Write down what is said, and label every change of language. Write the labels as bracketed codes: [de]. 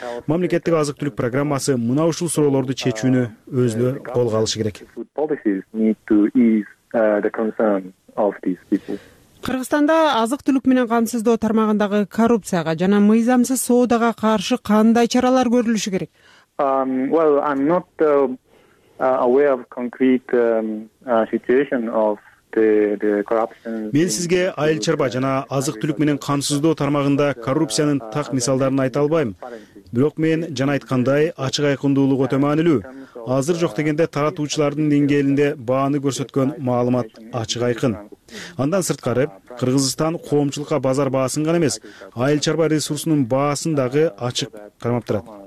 [ky] Мамлекеттик азык-түлүк программасы мына ушул суроолорду чечүүнү өзүнө колго алышы керек. Кыргызстанда азык-түлүк менен камсыздоо тармагындагы коррупцияга жана мыйзамсыз соодага каршы кандай чаралар көрүлүшү керек? [en] Aware of concrete situation of the corruption. [ky] Мен сизге айыл чарба жана азык-түлүк менен камсыздоо тармагында коррупциянын так мисалдарын айта албайм. Бирок мен жана айткандай, ачык айкындуулугу өтө маанилүү. Азыр жок дегенде таратуучулардын деңгээлинде бааны көрсөткөн маалымат ачык айкын. Андан сырткары, Кыргызстан коомчулукка базар баасын гана эмес, айыл чарба ресурсунун баасын дагы ачык кармап турат.